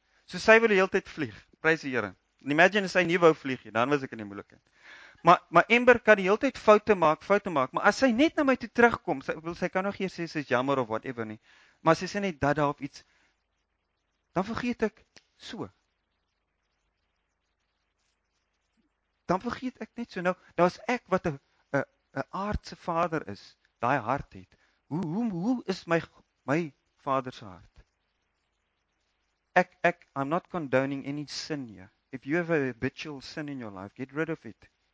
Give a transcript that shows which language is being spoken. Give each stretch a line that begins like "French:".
Afrikaans: So sy wil die hele tyd vlieg, prys die Here. Imagine as sy nie wou vlieg, dan was ek in die moeilikheid. Maar Ember kan die hele tyd foute maak, maar as sy net na my toe terugkom, sy kan nog hier sê, sy is jammer of whatever nie, maar sy sê net dat daar op iets, dan vergeet ek so. Dan vergeet ek net so. Nou as ek wat een aardse vader is, daai hart het, hoe is my vaders hart?
English: Ek, I'm not condoning any sin here. If you have a habitual sin in your life, get rid of it.